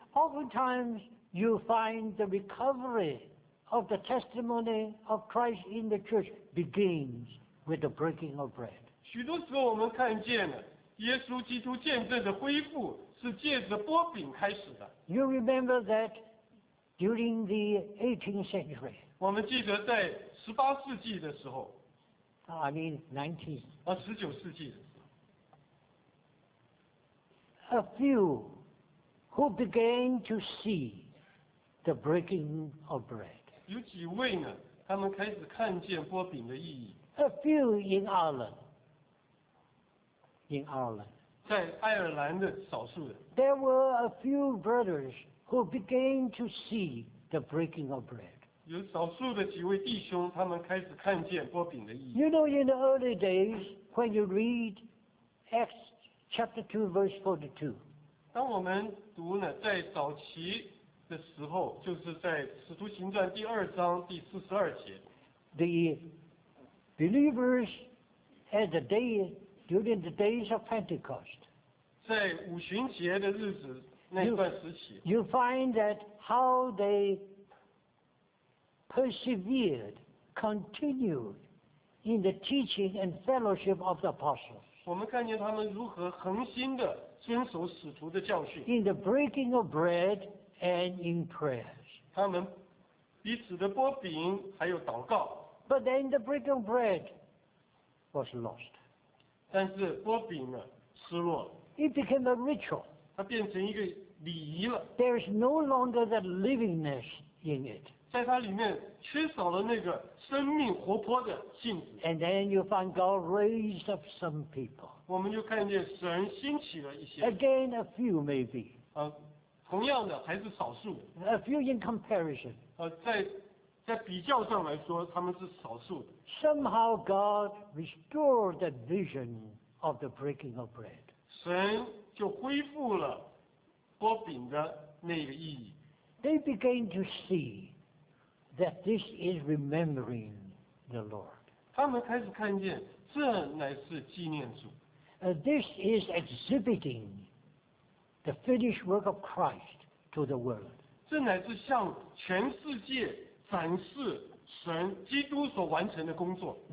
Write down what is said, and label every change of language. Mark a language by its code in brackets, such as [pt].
[en] Oftentimes,You find the recovery of the testimony of Christ in the church begins with the breaking of bread. [zh] 许多时候我们看见了耶稣基督见证的恢复是借着擘饼开始的。 [en] You remember that during the 18th century. [zh] 我们记得在十八世纪的时候。 [en] I mean 19th. [zh] 十九世纪的时候。 [en] A few who began to see. The breaking of bread. [zh] 有几位呢？他们开始看见擘饼的意义。 [en] A few in Ireland. In Ireland. [zh] 在爱尔兰的少数人。 [en] There were a few brothers who began to see the breaking of bread. [zh] 有少数的几位弟兄，他们开始看见擘饼的意义。 [en] You know, in the early days, when you read Acts chapter 2, verse 42. [zh] 当我们读呢，在早期。的时候，就是在《使徒行传》第二章第四十二节。 [en] The believers at the day during the days of Pentecost. [zh] 在五旬节的日子那段时期。 [en] You find that how they persevered, continued in the teaching and fellowship of the apostles. [zh] 我们看见他们如何恒心的遵守使徒的教训。 [en] In the breaking of bread. And in prayers. [zh] 他们彼此的擘饼还有祷告。 [en] But then the breaking of bread was lost. [zh] 但是擘饼呢，失落了。 [en] It became a ritual. [zh] 它变成一个礼仪了。 [en] There is no longer that livingness in it. [zh] 在它里面缺少了那个生命活泼的性质。 [en] And then you find God raised up some people. [zh] 我们就看见神兴起了一些。 [en] Again, a few maybe. [zh] 同样的还是少数。 [en] A few in comparison. [zh] 在比较上来说，他们是少数的。 [en] Somehow God restored the vision of the breaking of bread. [zh] 神就恢复了擘饼的那个意义。 [en] They began to see that this is remembering the Lord. [zh] 他们开始看见，这乃是纪念主。 [en] This is exhibiting the finished work of Christ to the world. [zh] 这乃是向全世界展示神基督所完成的工作。